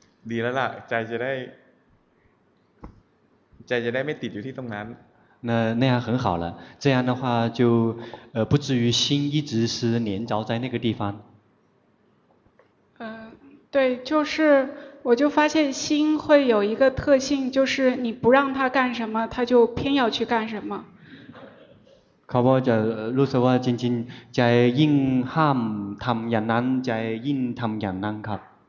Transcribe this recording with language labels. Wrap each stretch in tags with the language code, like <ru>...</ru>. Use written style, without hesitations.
<th>ดีแล้วล่ะใจจะได้ไม่ติดอยู่ที่ตรงนั้น</th> <zh>那样很好了这样的话就不至于心一直是黏着在那个地方对就是我就发现心会有一个特性就是你不让他干什么他就偏要去干什么</zh> <th>เขาบอกจะรู้สึกว่าจริงๆใจยิ่งห้ามทำอย่างนั้นใจยิ่งทำอย่างนั้นครับ</th>